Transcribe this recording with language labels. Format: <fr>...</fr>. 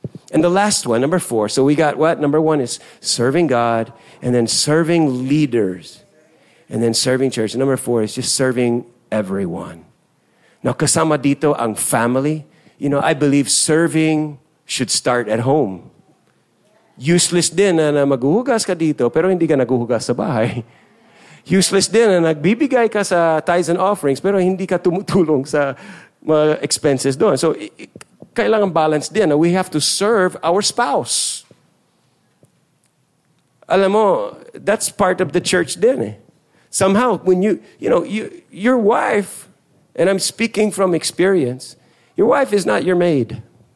<en>And the last one, number four. So we got what? Number one is serving God and then serving leaders and then serving church. And number four is just serving everyone. Now,</en> <tl>kasama dito ang family.</tl> <en>You know, I believe serving should start at home.</en> <tl>Useless din na maghuhugas ka dito, pero hindi ka naghuhugas sa bahay. Useless din na nagbibigay ka sa tithes and offerings, pero hindi ka tumutulong sa mga expenses doon. So, kailangan balance din.</tl> <en>We have to serve our spouse.</en> <tl>Alam mo,</tl> <en>that's part of the church din. Eh. Somehow, when your wife, and I'm speaking from experience, your wife is not your maid.</en>